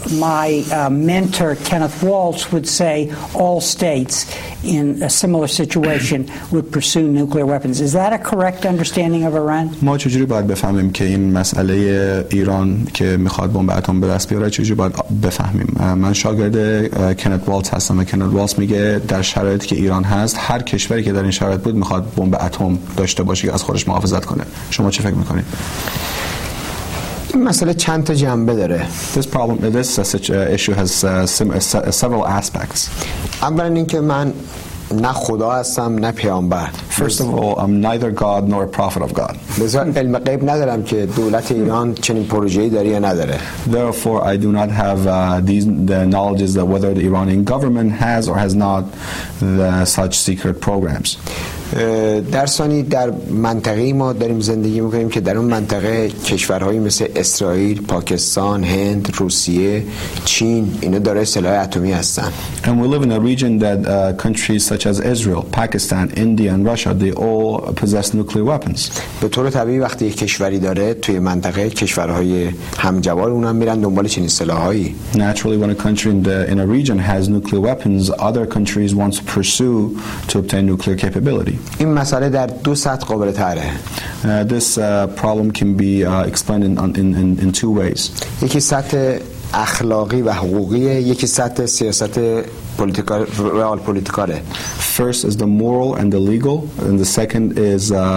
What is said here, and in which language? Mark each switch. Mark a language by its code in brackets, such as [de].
[en] My mentor, Kenneth Waltz, would say all states in a similar situation would pursue nuclear weapons. Is that a correct understanding of Iran? [fa] ما چجوری باید بفهمیم که این مسئله ایران که میخواد بمب اتم به دست بیاره چجوری باید بفهمیم؟ من شاگرد کنت والتز هستم. کنت والتز میگه در شرایطی که ایران هست هر کشوری که در این شرایط بود میخواد بمب اتم داشته باشه که از خودش محافظت کنه. شما چه فکر میکنید؟ مسئله چند تا جنبه داره. [en] This problem, this issue has several aspects. [fa] اولا اینکه من نه خدا هستم نه پیامبر. [en] First of all, I'm neither God nor a prophet of God. [fa] لذا علم غیب ندارم که دولت ایران چنین پروژه‌ای داره یا نداره. [en] Therefore, I do not have the knowledge that whether the Iranian government has or has not such secret programs. [fa] در ثانی در منطقه ما داریم زندگی میکنیم که در اون منطقه کشورهایی مثل اسرائیل، پاکستان، هند، روسیه، چین اینا دارای سلاح اتمی هستن. [en] And we live in a region that countries such as Israel, Pakistan, India and Russia, they all possess nuclear weapons. [fa] به طور طبیعی وقتی یک کشوری داره توی منطقه کشورهای همجوار اونم میرن دنبال چنین سلاحایی. [en] Naturally when a country in a region has nuclear weapons, other countries want to pursue to obtain nuclear capability. [fa] این مسئله در دو سطح قابل طرحه. [en] This problem can be explained in two ways. [fa] یکی سطح اخلاقی و حقوقیه، یکی سطح سیاست [en] Political real پلیتیکاله. First is the moral and the legal, and the second is